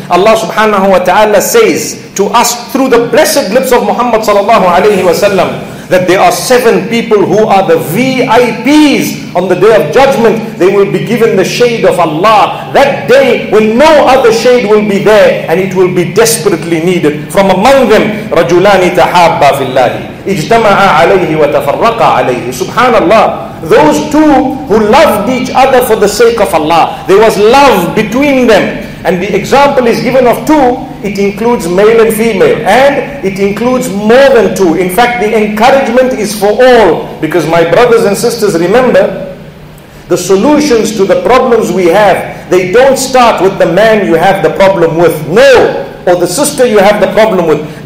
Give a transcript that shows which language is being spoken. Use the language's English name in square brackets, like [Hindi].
[English] Allah subhanahu wa ta'ala says to us through the blessed lips of Muhammad sallallahu alaihi wasallam, that there are seven people who are the VIPs on the Day of Judgment. They will be given the shade of Allah that day when no other shade will be there, and it will be desperately needed. From among them, [Arabic] رَجُلَانِ تَحَابَّ فِي اللَّهِ اِجْتَمَعَ عَلَيْهِ وَتَفَرَّقَ عَلَيْهِ. [English] Subhanallah, those two who loved each other for the sake of Allah, there was love between them. And the example is given of two. It includes male and female, and it includes more than two. In fact, the encouragement is for all, because my brothers and sisters, remember, the solutions to the problems we have, they don't start with the man you have the problem with, no, or the sister you have the problem with.